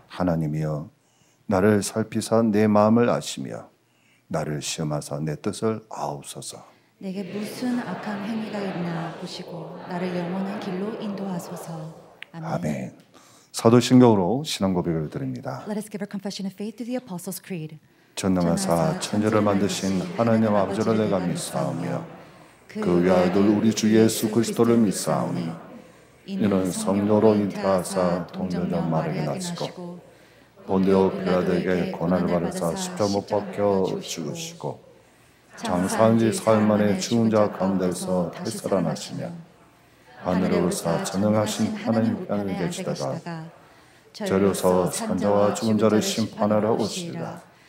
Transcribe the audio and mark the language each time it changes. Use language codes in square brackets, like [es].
[ko] 하나님이여, 나를 살피사 내 마음을 아시며 나를 시험하사 내 뜻을 아옵소서. 내게 무슨 악한 행위가 있나 보시고 나를 영원한 길로 인도하소서. 아멘, 아멘. 사도신경으로 신앙 고백을 드립니다. [en] Let us give our confession of faith through the Apostles' Creed. [ko] 전능하사 천지를 만드신 하나님 아버지를 내가 믿사오며 그 외아들 우리 주 예수 그리스도를 믿사오니 이는 성녀로 잉태하사 동정녀 마리에 나시고 본디오 빌라도에게 고난을 받으사 십자 못 박혀 죽으시고 장사한 지 사흘 만에 죽은 자 가운데서 다시 살아나시며 하늘으로서 전능하신 하나님 편에 계시다가 저리로서 산자와 죽은 자를 심판하러 오시리라.